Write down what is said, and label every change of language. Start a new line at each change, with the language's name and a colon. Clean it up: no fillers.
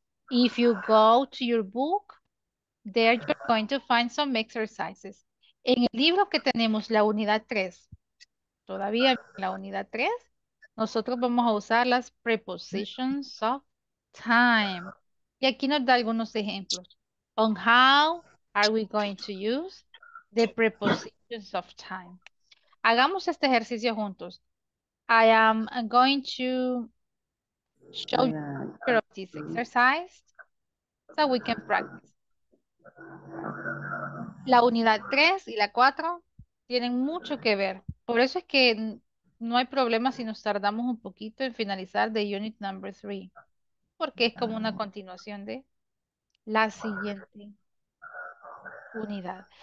English: If you go to your book, there you're going to find some exercises.
Spanish: En el libro que tenemos, la unidad 3, todavía la unidad 3, nosotros vamos a usar las prepositions of time. Y aquí nos da algunos ejemplos.
English: On how are we going to use the prepositions of time?
Spanish: Hagamos este ejercicio juntos.
English: I am going to show you this exercise so we can practice.
Spanish: La unidad 3 y la 4 tienen mucho que ver. Por eso es que no hay problema si nos tardamos un poquito en finalizar
English: the unit number 3.
Spanish: Porque es como una continuación de la siguiente unidad.